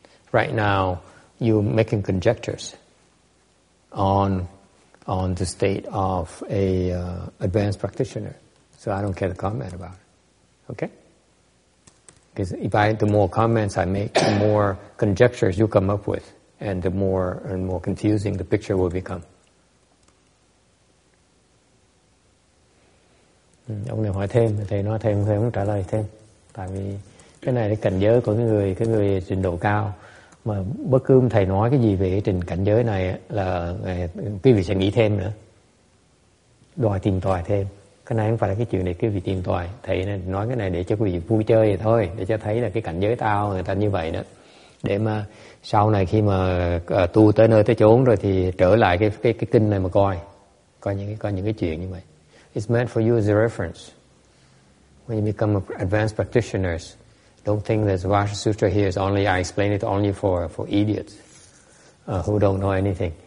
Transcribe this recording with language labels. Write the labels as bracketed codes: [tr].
[en] Right now, you're making conjectures on the state of a advanced practitioner, so I don't care to comment about it. Okay. Because the more comments I make, the more conjectures you come up with, and the more and more confusing the picture will become. [vi] Ông này hỏi thêm, thầy nói thêm, thầy không trả lời thêm. Tại vì cái này là cảnh giới của cái người trình độ cao. Mà bất cứ thầy nói cái gì về cái trình cảnh giới này là quý vị sẽ nghĩ thêm nữa. Đòi tìm tòi thêm. Cái này không phải là cái chuyện này cứ vì tìm tòi. Thầy nói cái này để cho quý vị vui chơi vậy thôi. Để cho thấy là cái cảnh giới tao người ta như vậy đó. Để mà sau này khi mà tu tới nơi tới chốn rồi thì trở lại cái kinh này mà coi. Coi những cái chuyện như vậy. [en] It's meant for you as a reference. When you become advanced practitioners, don't think that Vajra Sutra here is only, I explain it only for idiots who don't know anything.